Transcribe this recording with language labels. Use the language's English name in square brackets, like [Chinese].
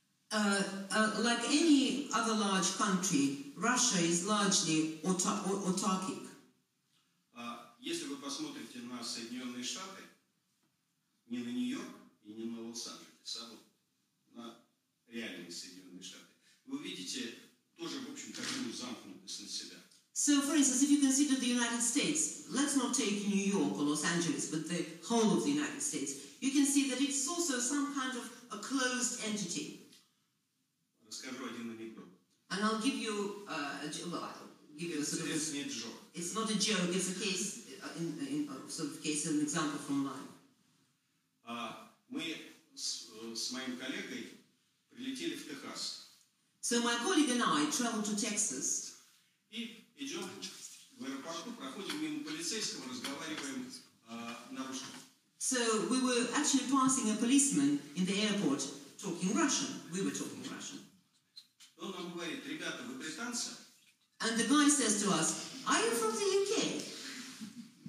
[English] Like any other large country, Russia is largely autarkic. [Russian] Если вы посмотрите на Соединенные Штаты, не на Нью-Йорк и не на Лос-Анджелес, а вот на реальные Соединенные Штаты, вы увидите тоже, в общем, такую замкнутость на себя. [English] So, for instance, if you consider the United States, let's not take New York or Los Angeles, but the whole of the United States, you can see that it's also some kind of a closed entity. [Russian] Расскажу один анекдот. [English] And I'll give you it's not a joke, it's a case, an example from mine. [Russian] Мы с моим коллегой прилетели в Техас. [English] So my colleague and I traveled to Texas. [Russian] И идем в аэропорту, проходим мимо полицейского, разговариваем на русском. [English] So we were actually passing a policeman in the airport talking Russian. We were talking Russian. [Russian] Он нам говорит, ребята, вы британцы? [English] And the guy says to us, are you from the UK?